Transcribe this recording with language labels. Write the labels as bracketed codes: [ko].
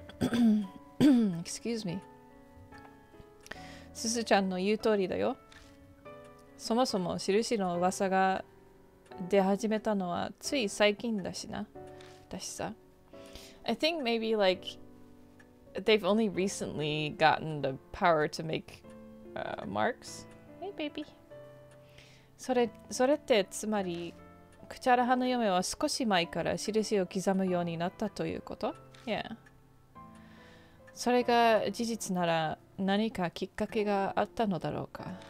[ja] でも、クチャラ派の嫁の噂って5年くらい前からありますけど、電話に出た人に印が刻まれるなんて電話は話はないんですよ。 [en] Excuse me. [ja] すずちゃんの言う通りだよ。そもそも印の噂が出始めたのはつい最近だしな。だしさ。 [en] I think maybe like they've only recently gotten the power to make marks. Hey, baby. [ja] それってつまり、クチャラ派の嫁は少し前から印を刻むようになったということ? [en] Yeah. [ja] それが事実なら何かきっかけがあったのだろうか?